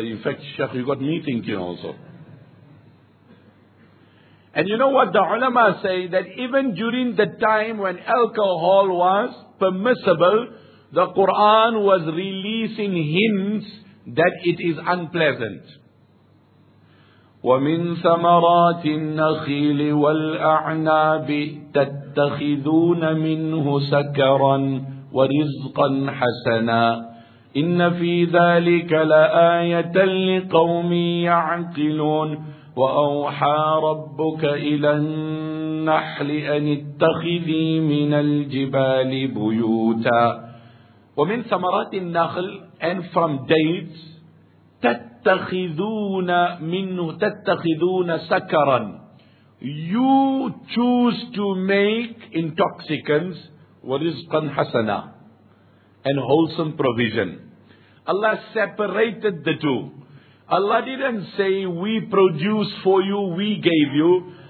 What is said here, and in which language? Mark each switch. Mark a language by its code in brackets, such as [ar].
[en] In fact, Sheikh, you got me thinking also. And you know what the ulama say? That even during the time when alcohol was permissible, the Quran was releasing hints that it is unpleasant. [ar] وَمِن ثَمَرَاتِ النَّخِيلِ وَالْأَعْنَابِ تَتَّخِذُونَ مِنْهُ سَكَرًا وَرِزْقًا حَسَنًا إِنَّ فِي ذَلِكَ لَآيَةً لِقَوْمٍ يَعْقِلُونَ وأوحى ربك إلى النحل أن اتخذي من الجبال بيوتا ومن ثمرات النخل [en] and from dates [ar] تتخذون منه تتخذون سكرا. [en] You choose to make intoxicants [ar] ورزقا حسنا [en] and wholesome provision. Allah separated the two. Allah didn't say, we produce for you, we gave you.